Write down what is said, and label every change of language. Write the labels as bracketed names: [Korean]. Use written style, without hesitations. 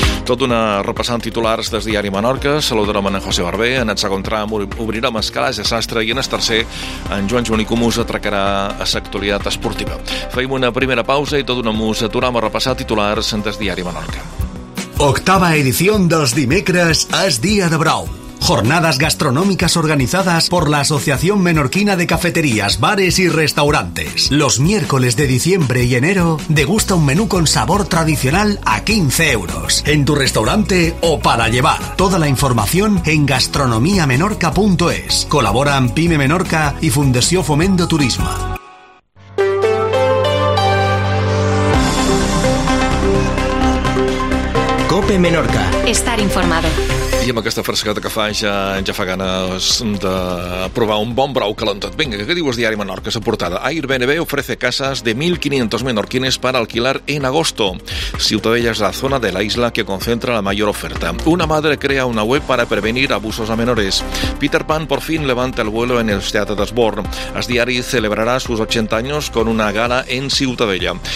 [Catalan] Tot una repassant titulars del diari Menorca. Saludarem en José Barber. En el segon tram obrirem el calaix de sastre i en el tercer en Joan Joan i Comús atracarà a l'actualitat esportiva. Feim una primera pausa i tot una musa aturam a repassar titulars del diari Menorca. [Spanish] Octava edición dels dimecres és dia de brau. Jornadas gastronómicas organizadas por la Asociación Menorquina de Cafeterías, Bares y Restaurantes. Los miércoles de diciembre y enero, degusta un menú con sabor tradicional a 15 euros. En tu restaurante o para llevar. Toda la información en gastronomiamenorca.es. Colaboran Pyme Menorca y Fundación Fomento Turismo. COPE Menorca. Estar informado. [Catalan] I amb aquesta frescada que fa ja fa ganes de provar un bon brou calentat. Vinga, què diu el diari Menorca, la portada? [Spanish] Airbnb ofrece casas de 1.500 menorquines para alquilar en agosto. Ciutadella es la zona de la isla que concentra la mayor oferta. Una madre crea una web para prevenir abusos a menores. Peter Pan por fin levanta el vuelo en el Teatro de Sborn. El diari celebrará sus 80 años con una gala en Ciutadella.